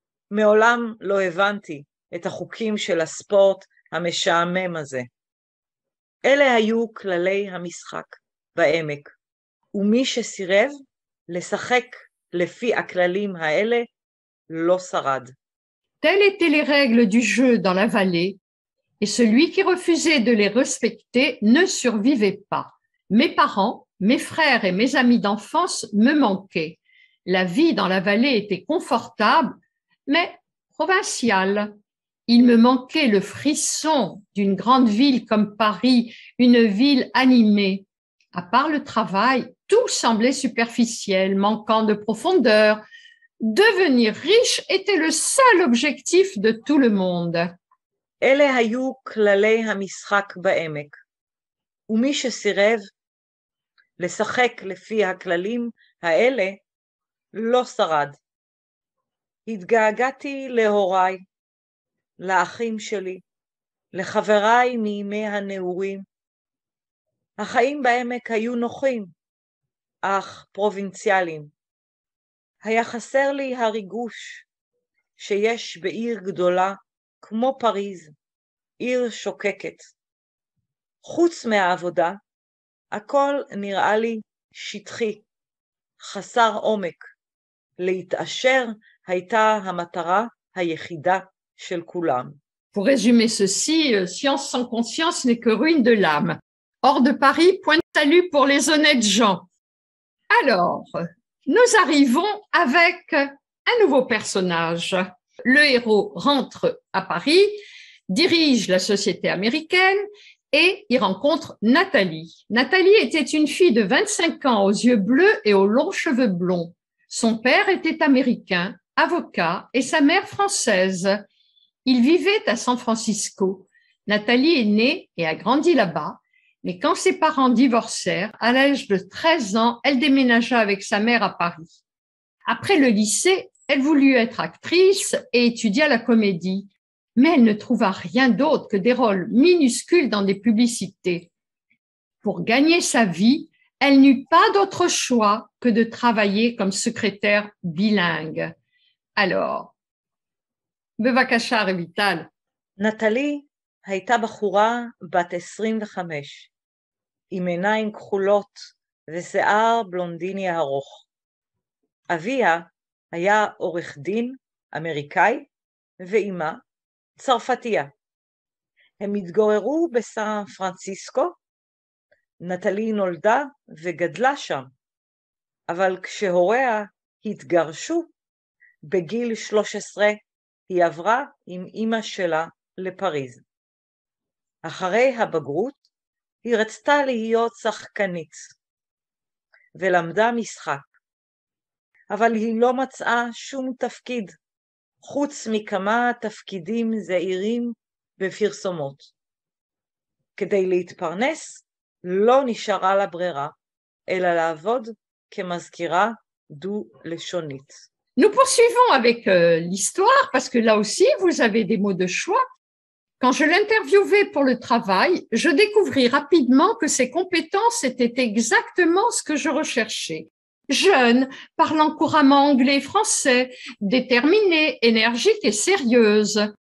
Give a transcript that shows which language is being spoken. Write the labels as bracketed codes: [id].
[he] מעולם לא הבנתי את החוקים של הספורט המשעמם הזה. אלה היו כללי המשחק בעמק, ומי שסירב לשחק לפי הכללים האלה לא שרד. [fr] Telles étaient les règles du jeu dans la vallée, et celui qui refusait de les respecter ne survivait pas. Mes parents, mes frères et mes amis d'enfance me manquaient. La vie dans la vallée était confortable, mais provincial. Il me manquait le frisson d'une grande ville comme Paris, une ville animée. À part le travail, tout semblait superficiel, manquant de profondeur. Devenir riche était le seul objectif de tout le monde. [he] אלה היו כללי המשחק בעמק. ומי שסירב לשחק לפי הכללים האלה לא שרד. התגעגעתי להוריי, לאחים שלי, לחבריי מימי הנעורים. החיים בעמק היו נוחים, אך פרובינציאליים. היה חסר לי הריגוש שיש בעיר גדולה כמו פריז, עיר שוקקת. חוץ מהעבודה, הכל נראה לי שטחי, חסר עומק, להתעשר הייתה המטרה היחידה של כולם. [fr] Pour résumer ceci, science sans conscience n'est que ruine de l'âme. Hors de Paris, point de salut pour les honnêtes gens. Alors, nous arrivons avec un nouveau personnage. Le héros rentre à Paris, dirige la société américaine et y rencontre Nathalie. Nathalie était une fille de 25 ans aux yeux bleus et aux longs cheveux blonds. Son père était américain, avocat, et sa mère française. Ils vivaient à San Francisco. Nathalie est née et a grandi là-bas, mais quand ses parents divorcèrent, à l'âge de 13 ans, elle déménagea avec sa mère à Paris. Après le lycée, elle voulut être actrice et étudia la comédie, mais elle ne trouva rien d'autre que des rôles minuscules dans des publicités. Pour gagner sa vie, elle n'eut pas d'autre choix que de travailler comme secrétaire bilingue. Alors, [he] בבקשה, רויטל. נטלי הייתה בחורה בת 25, עם עיניים כחולות ושיער בלונדיני ארוך. אביה היה עורך דין אמריקאי ואימא צרפתיה. הם התגוררו בסן פרנסיסקו. נטלי נולדה וגדלה שם, אבל כשהוריה התגרשו, בגיל 13 היא עברה עם אמא שלה לפריז. אחרי הבגרות היא רצתה להיות שחקנית ולמדה משחק, אבל היא לא מצאה שום תפקיד חוץ מכמה תפקידים זעירים בפרסומות. כדי להתפרנס, לא נשארה לה ברירה, אלא לעבוד כמזכירה דו-לשונית. [fr] Nous poursuivons avec l'histoire, parce que là aussi, vous avez des mots de choix. Quand je l'interviewais pour le travail, je découvris rapidement que ses compétences étaient exactement ce que je recherchais. Jeune, parlant couramment anglais et français, déterminée, énergique et sérieuse.